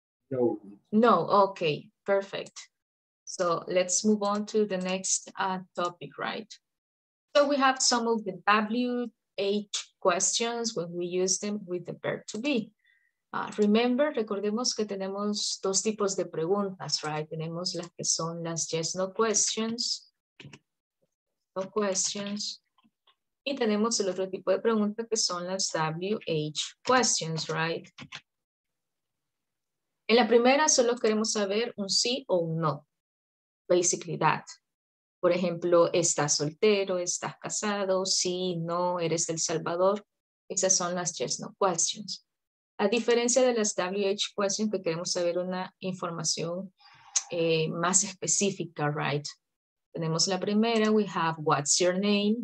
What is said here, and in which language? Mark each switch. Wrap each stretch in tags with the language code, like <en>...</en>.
<en>No, okay, perfect. So let's move on to the next topic, right? So we have some of the WH questions when we use them with the verb to be.</en> <es>Remember, recordemos que tenemos dos tipos de preguntas, right? Tenemos las que son las</es> <en>yes, no questions. No questions.</en> <es>Y tenemos el otro tipo de pregunta que son las WH questions, right? En la primera solo queremos saber un sí o un no.</es> <en>Basically that.</en> <es>Por ejemplo, ¿estás soltero? ¿Estás casado? Sí, no, ¿eres del Salvador? Esas son las yes, no questions. A diferencia de las WH questions, que queremos saber una información más específica, right? Tenemos la primera,</es> <en>we have what's your name?</en>